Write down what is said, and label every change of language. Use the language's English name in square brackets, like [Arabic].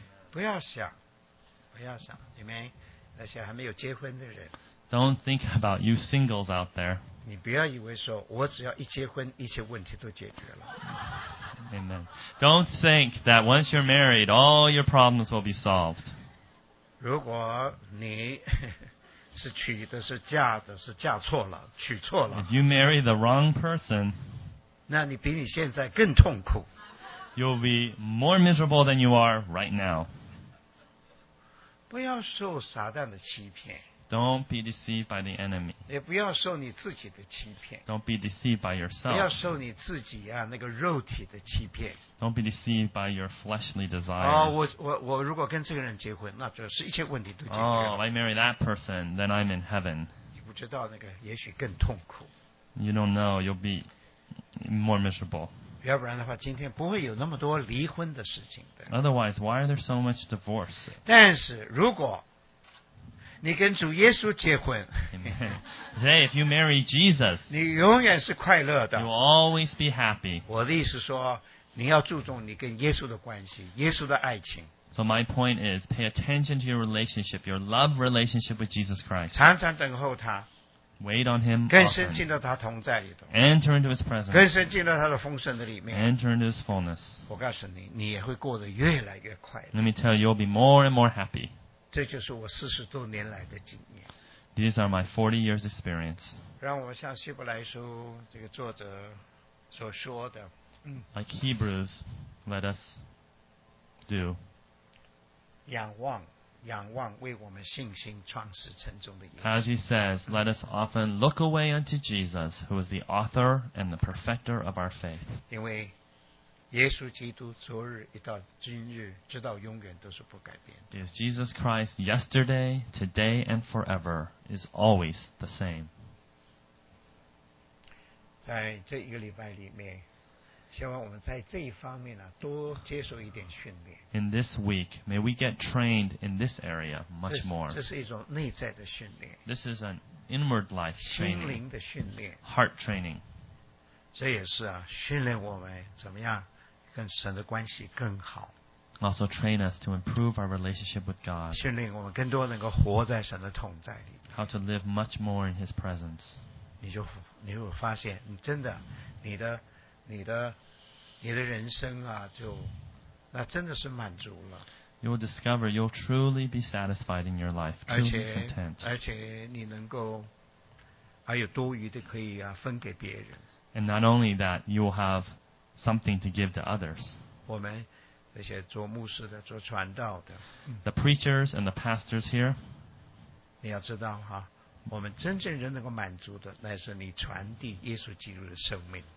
[Chinese] 不要想，不要想，你们那些还没有结婚的人。 [English] Don't think about you singles out there. [Chinese] 你不要以为说我只要一结婚，一切问题都解决了。 [English] Amen. Don't think that once you're married, all your problems will be solved. [Chinese] 如果你是娶的是嫁的是嫁错了娶错了。 [English] If you marry the wrong person, [Chinese] 那你比你现在更痛苦。 [English] You'll be more miserable than you are right now. [Chinese] 不要受撒旦的欺骗。 [English] Don't be deceived by the enemy. [Chinese] 也不要受你自己的欺骗。 [English] Don't be deceived by yourself. [Chinese] 不要受你自己啊那个肉体的欺骗。 [English] Don't be deceived by your fleshly desire. [Chinese] 我如果跟这个人结婚，那就是一切问题都解决了。 [English] Oh, if I marry that person, then I'm in heaven. [Chinese] 你不知道那个也许更痛苦。 [English] You don't know, you'll be more miserable. [Chinese] 要不然的话，今天不会有那么多离婚的事情的。 [English] Otherwise, why are there so much divorce? [Chinese] 但是如果你跟主耶稣结婚 [English] Hey, if you marry Jesus, [Chinese] 你永远是快乐的 [English] You'll always be happy. [Chinese] 我的意思说你要注重你跟耶稣的关系耶稣的爱情 [English] So my point is pay attention to your relationship your love relationship with Jesus Christ. [Chinese] 常常等候他 [English] Wait on him [Chinese] 跟神进到他同在里头 [English] Enter into his presence. [Chinese] 跟神进到他的丰盛的里面 [English] Enter into his fullness. [Chinese] 我告诉你你也会过得越来越快乐 [English] Let me tell you, you'll be more and more happy. [Chinese] 这就是我四十多年来的经验。 [English] These are my 40 years experience. [Chinese] 让我像希伯来书这个作者所说的。 [English] Like Hebrews, let us do. [Chinese] 仰望为我们信心创始成终的耶稣。 [English] As he says, let us often look away unto Jesus, who is the author and the perfecter of our faith. [Chinese] 因为耶稣基督昨日一到今日直到永远都是不改变的。 [English] Is Jesus Christ yesterday, today and forever is always the same. [Chinese] 在这一个礼拜里面，希望我们在这一方面呢多接受一点训练。 [English] In this week, may we get trained in this area much more. [Chinese] 这是一种内在的训练。 [English] This is an inward life training. [Chinese] 心灵的训练。 [English] Heart training. [Chinese] 这也是啊，训练我们怎么样跟神的关系更好。 [English] Also train us to improve our relationship with God. [Chinese] 训练我们更多能够活在神的同在里。 [English] How to live much more in His presence. [Chinese] 你就发现，你真的，你的人生啊，就那真的是满足了。 [English] You will discover you'll truly be satisfied in your life, truly content. [Chinese] 而且你能够还有多余的可以啊分给别人。 [English] And not only that, you will have something to give to others. [Chinese] 我们这些做牧师的、做传道的 [English] The preachers and the pastors here. [Chinese] 你要知道哈，我们真正人能够满足的，乃是你传递耶稣基督的生命。